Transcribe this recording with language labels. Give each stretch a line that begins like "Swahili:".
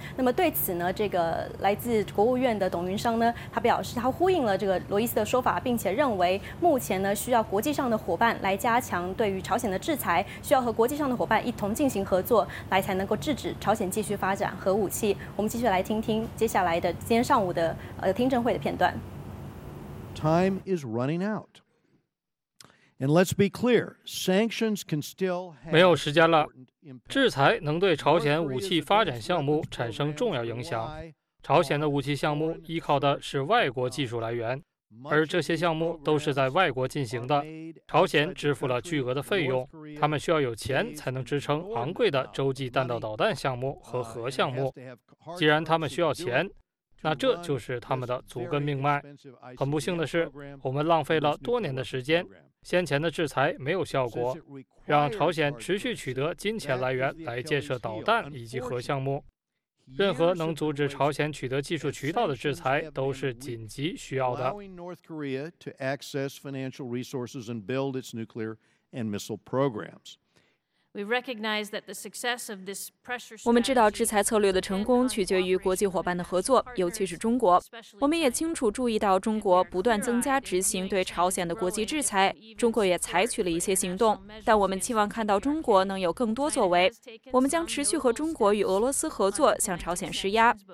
Chinese: 那么对此呢，这个来自国务院的董云商呢，他表示他呼应了这个罗伊斯的说法，并且认为目前呢，需要国际上的伙伴来加强对于朝鲜的制裁，需要和国际上的伙伴一同进行合作，来才能够制止朝鲜继续发展核武器。我们继续来听听接下来的今天上午的听证会的片段。
English: Time is running out. And let's be clear, sanctions can still have
Chinese: 没有时间了。制裁能对朝鲜武器发展项目产生重要影响。朝鲜的武器项目依靠的是外国技术来源，而这些项目都是在外国进行的，朝鲜支付了巨额的费用，他们需要有钱才能支撑昂贵的洲际弹道导弹项目和核项目。既然他们需要钱，那这就是他们的足根命脉。很不幸的是，我们浪费了多年的时间，先前的制裁没有效果，让朝鲜持续取得金钱来源来建设导弹以及核项目。任何能阻止朝鲜取得技术渠道的制裁都是紧急需要的。
English: Allowing North Korea to access financial resources and build its nuclear and missile programs. We recognize that the success of this pressure.
Chinese: 我们知道制裁策略的成功取决于国际伙伴的合作，尤其是中国。我们也清楚注意到中国不断增加执行对朝鲜的国际制裁，中国也采取了一些行动，但我们期望看到中国能有更多作为。我们将持续和中国与俄罗斯合作，向朝鲜施压。